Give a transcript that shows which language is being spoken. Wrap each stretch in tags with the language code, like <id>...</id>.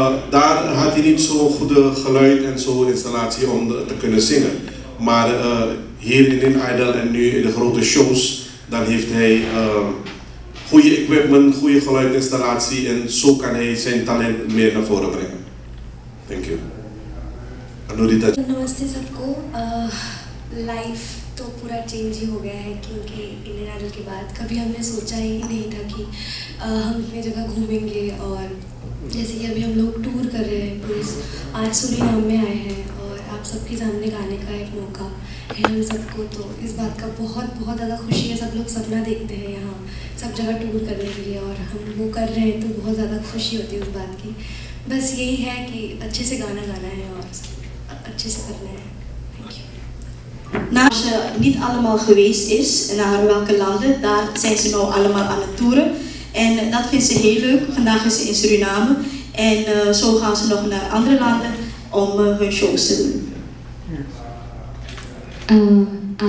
<nl>Daar had hij niet zo'n goede geluid en zo'n installatie om te kunnen zingen. Maar hier in Indian Idol en nu in de grote shows, dan heeft hij goede equipment, goede geluidinstallatie en zo kan hij zijn talent meer naar voren brengen.</nl> <en>Thank you. Anurita.</en> <hi>Namaste sabko. Life to pura change hi ho gaya hai, kyunki Indian Idol ke baad kabhi humne socha hi nahi tha ki hum itni jagah ghoomenge, aur जैसे कि अभी हम लोग tour कर रहे हैं, please आज Suriname में आए हैं और आप सबके सामने गाने का एक मौका है हम सबको, तो इस बात का बहुत बहुत ज़्यादा खुशी है। सब लोग सपना देखते हैं यहाँ सब जगह टूर करने के लिए, और हम वो कर रहे हैं तो बहुत ज़्यादा खुशी होती है उस बात की। बस यही है कि अच्छे से गाना गाना है और अच्छे से करना है। Thank you.</hi> <nl>Naar ze niet allemaal geweest is, naar welke landen, daar zijn ze nou allemaal aan het toeren. En dat vindt ze heel leuk. Vandaag is ze in Suriname. En zo gaan ze nog naar andere landen om hun shows te doen.</nl>